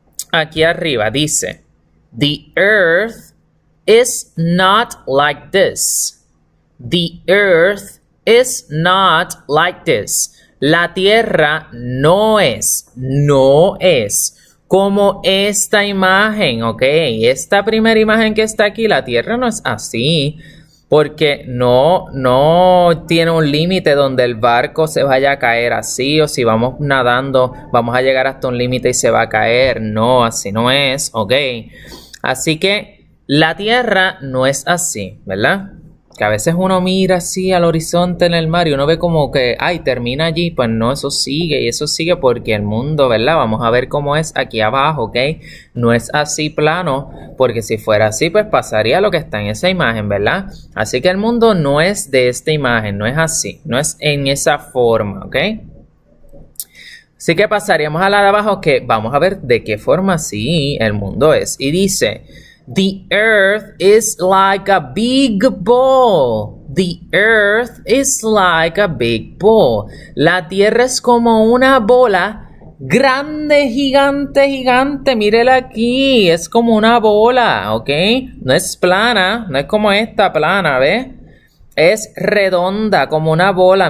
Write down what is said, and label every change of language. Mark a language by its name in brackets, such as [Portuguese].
[Spanish] Aquí arriba dice, [English] The Earth is not like this. The earth is not like this. [Spanish] La tierra no es, no es como esta imagen, ¿ok? Esta primera imagen que está aquí, la tierra no es así, porque no tiene un límite donde el barco se vaya a caer así, o si vamos nadando, vamos a llegar hasta un límite y se va a caer. No, así no es, ¿ok? Así que la Tierra no es así, ¿verdad? Que a veces uno mira así al horizonte en el mar y uno ve como que, ay, termina allí, pues no, eso sigue y eso sigue porque el mundo, ¿verdad? Vamos a ver cómo es aquí abajo, ¿ok? No es así plano, porque si fuera así, pues pasaría lo que está en esa imagen, ¿verdad? Así que el mundo no es de esta imagen, no es así, no es en esa forma, ¿ok? Así que pasaríamos a la de abajo que vamos a ver de qué forma sí el mundo es. Y dice, [English] The earth is like a big ball. The earth is like a big ball. [Spanish] La tierra es como una bola grande, gigante, gigante. Mírela aquí. Es como una bola, ¿ok? No es plana. No es como esta plana, ¿ves? Es redonda, como una bola.